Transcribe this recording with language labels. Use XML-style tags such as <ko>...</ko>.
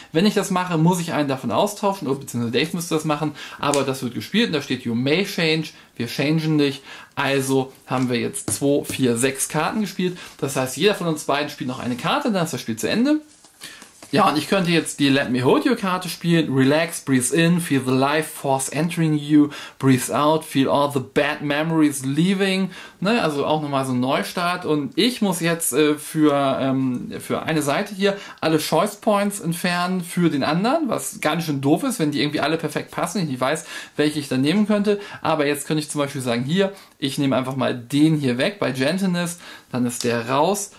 <de>Wenn ich das mache, muss ich einen davon austauschen, beziehungsweise Dave müsste das machen. Aber das wird gespielt und da steht,</de> <en>you may change.</en> <de>Wir changen nicht. Also haben wir jetzt 2, 4, 6 Karten gespielt. Das heißt, jeder von uns beiden spielt noch eine Karte, dann ist das Spiel zu Ende. Ja, und ich könnte jetzt die Let Me Hold You Karte spielen.</de> <en>Relax, breathe in, feel the life force entering you, breathe out, feel all the bad memories leaving.</en> <de>Ne, also auch nochmal so ein Neustart. Und ich muss jetzt für eine Seite hier alle Choice Points entfernen für den anderen, was gar nicht schön doof ist, wenn die irgendwie alle perfekt passen. Ich nicht weiß, welche ich dann nehmen könnte. Aber jetzt könnte ich zum Beispiel sagen, hier, ich nehme einfach mal den hier weg bei Gentleness. Dann ist der raus.</de>